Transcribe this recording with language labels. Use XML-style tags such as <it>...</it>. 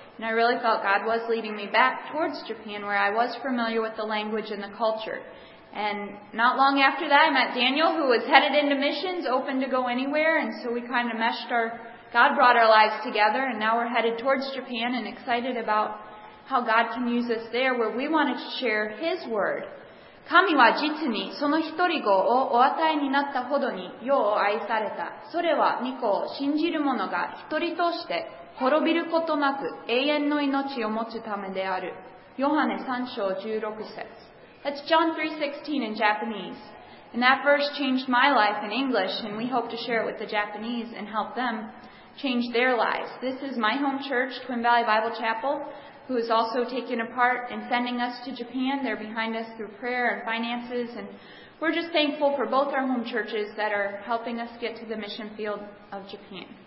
<en>And I really felt God was leading me back towards Japan, where I was familiar with the language and the culture. And not long after that, I met Daniel, who was headed into missions, open to go anywhere. And so we kind of meshed God brought our lives together, and now we're headed towards Japan and excited about how God can use us there where we want to share His word.</en> <ja>神は実にその一人子をお与えになったほどによう愛された。それは御子を信じる者が一人として滅びることなく永遠の命を持つためである。ヨハネ3章16節。</ja> <en>That's John 3:16 in Japanese. And that verse changed my life in English, and we hope to share it with the Japanese and help them change their lives. This is my home church, Twin Valley Bible Chapel, who is also taking a part in sending us to Japan. They're behind us through prayer and finances, and we're just thankful for both our home churches that are helping us get to the mission field of Japan.</en>